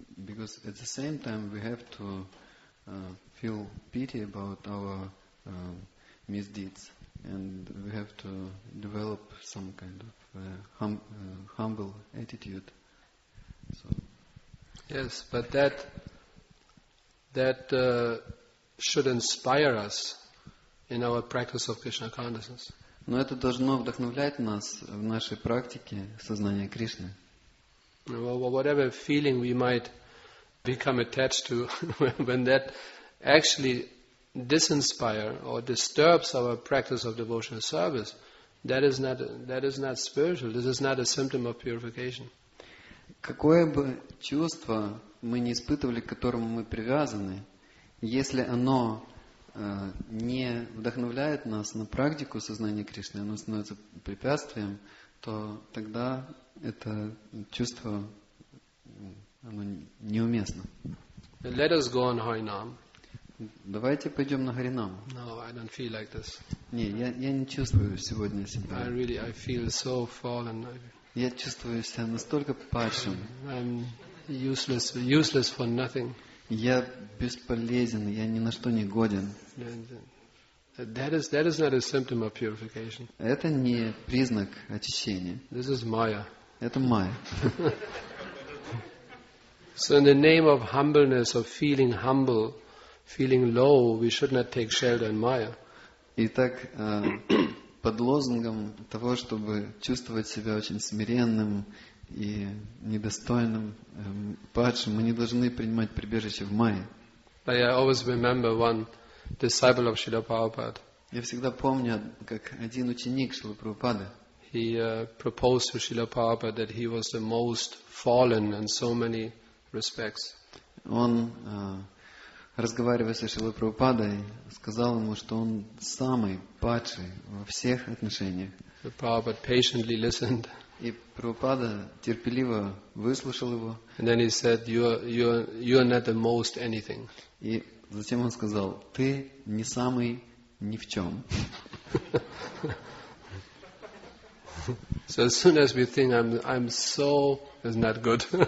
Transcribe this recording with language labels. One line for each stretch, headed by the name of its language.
English: because at the same time we have to feel pity about our misdeeds, and we have to develop some kind of humble attitude. So. Yes, but that should inspire us in our practice of Krishna consciousness.
Russian: Но это должно вдохновлять нас в нашей практике сознания Кришны.
English: Well, whatever feeling we might become attached to, when that actually disinspires or disturbs our practice of devotional service, that is not spiritual. This is not a symptom of purification.
Russian: Какое бы чувство мы не испытывали, к которому мы привязаны, если оно не вдохновляет нас на практику сознания Кришны, оно становится препятствием, то тогда это чувство оно неуместно.
English: Let us go on Harinam.
Russian: Давайте пойдем на Харинаму.
English: No, I don't feel like this.
Russian: Не, я не чувствую сегодня себя.
English: I feel so fallen.
Russian: Я чувствую себя настолько падшим.
English: I'm useless for nothing.
Russian: Я бесполезен, я ни на что не годен.
English: That is not a symptom of purification.
Russian: Это не признак очищения.
English: This is Maya.
Russian: Это Maya.
English: So in the name of humbleness, of feeling humble, feeling low, we should not take shelter in Maya.
Russian: Итак, под лозунгом того, чтобы чувствовать себя очень смиренным и недостойным, падшим, мы не должны принимать прибежище в Майе.
English: But I always remember one disciple of Śrīla Prabhupāda.
Russian: Я всегда помню, как один ученик Шрилы Прабхупады.
English: He proposed to Śrīla Prabhupāda that he was the most fallen in so many respects.
Russian: Он, разговаривая со Шрилой Прабхупадой, сказал ему, что он самый падший во всех отношениях.
English: The Prabhupada patiently listened.
Russian: И Прабхупада терпеливо выслушал его.
English: And then he said, you are not the most anything.
Russian: И затем он сказал, ты не самый ни в чем.
English: So as soon as we think I'm so, it's not good.